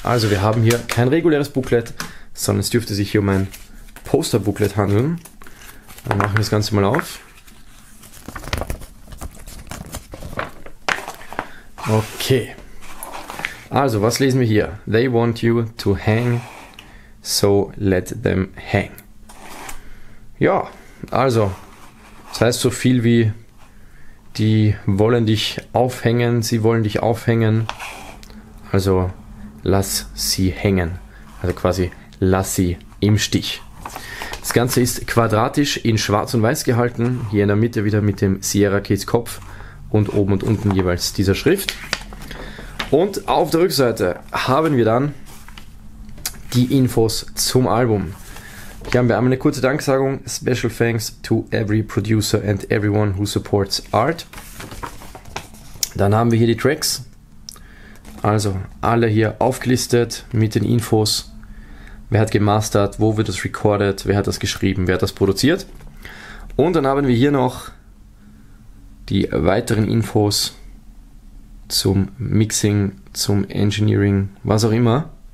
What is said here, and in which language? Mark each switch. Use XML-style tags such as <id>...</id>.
<de>Wir haben hier kein reguläres Booklet, sondern es dürfte sich hier um ein Poster-Booklet handeln. Dann machen wir das Ganze mal auf. Okay, also was lesen wir hier?</de> <en>They want you to hang, so let them hang.</en> <de>Ja, also, das heißt so viel wie, die wollen dich aufhängen, sie wollen dich aufhängen, also lass sie hängen. Also quasi, lasse sie im Stich. Das Ganze ist quadratisch in Schwarz und Weiß gehalten, hier in der Mitte wieder mit dem Sierra Kids Kopf und oben und unten jeweils dieser Schrift. Und auf der Rückseite haben wir dann die Infos zum Album. Hier haben wir einmal eine kurze Danksagung.</de> <en>Special thanks to every producer and everyone who supports art.</en> <de>Dann haben wir hier die Tracks. Also alle hier aufgelistet mit den Infos. Wer hat gemastert, wo wird das recorded, wer hat das geschrieben, wer hat das produziert. Und dann haben wir hier noch die weiteren Infos zum Mixing, zum Engineering, was auch immer.</de>